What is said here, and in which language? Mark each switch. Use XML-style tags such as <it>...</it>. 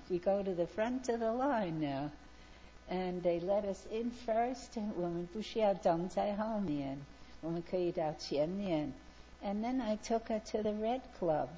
<en>We go to the front of the line now, and they let us in first.</en> <zh>我们不需要等在后面，我们可以到前面。</zh> <en>And then I took her to the Red Club.</en>